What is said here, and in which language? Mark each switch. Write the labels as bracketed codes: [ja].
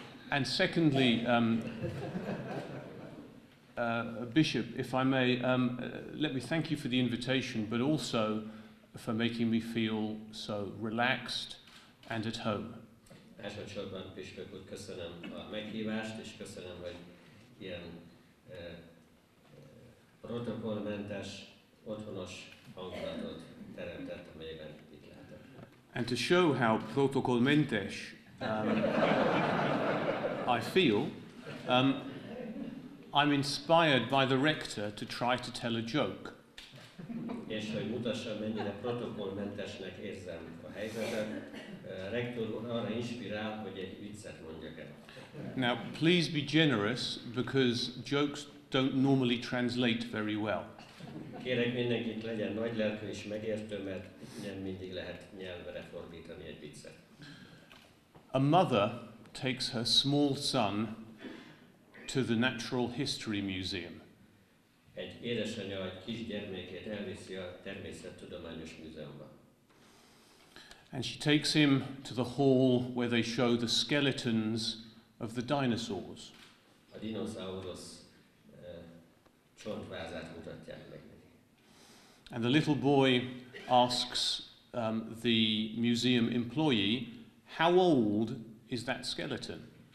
[en] And secondly, Bishop, if I may, let me thank you for the invitation, but also for making me feel so relaxed and at home. [hu] Elsősorban, Bishop úr, köszönöm a meghívást, és köszönöm, hogy ilyen protokollmentes, otthonos hangulatot teremtett, amelyben itt lehetek. [en] And to show how protokollmentes I feel, I'm inspired by the rector to try to tell a joke. [hu] És hogy mutassam, mennyire protokollmentesnek érzem a helyzetet, rektor arra inspirál, hogy egy viccet mondjak el. [en] Now, please be generous, because jokes don't normally translate very well. [hu] Kérek mindenkit, legyen nagy lelkű és megértő, mert nem mindig lehet nyelvre fordítani egy viccet. [en] A mother takes her small son to the Natural History Museum. [hu] Egy édesanyja egy kisgyermekét elviszi a természettudományos múzeumba. [en] And she takes him to the hall where they show the skeletons of the dinosaurs. [hu] A dinoszaurusz csontvázát mutatják meg. [en] And the little boy asks the museum employee, how old is that skeleton?